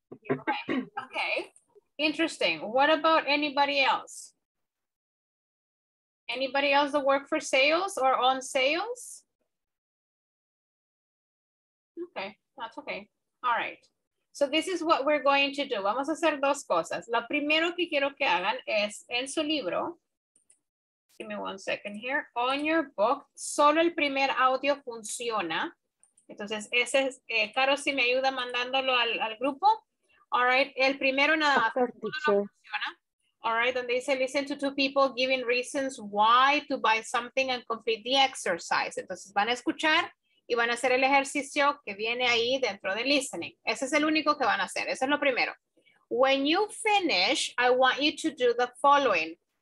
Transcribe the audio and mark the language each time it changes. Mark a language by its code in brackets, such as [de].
[en] Okay. Interesting. What about anybody else? Anybody else that work for sales or on sales? Okay, that's okay. All right. So this is what we're going to do. [es] Vamos a hacer dos cosas. La primero que quiero que hagan es en su libro. [en] Give me one second here. On your book, [es] solo el primer audio funciona. Entonces ese es, Caro, si me ayuda mandándolo al grupo. All right, el primero nada más. [en] All right, and they say listen to two people giving reasons why to buy something and complete the exercise. [es] Entonces van a escuchar y van a hacer el ejercicio que viene ahí dentro de listening. Ese es el único que van a hacer. Ese es lo primero. [en] When you finish, I want you to do the following.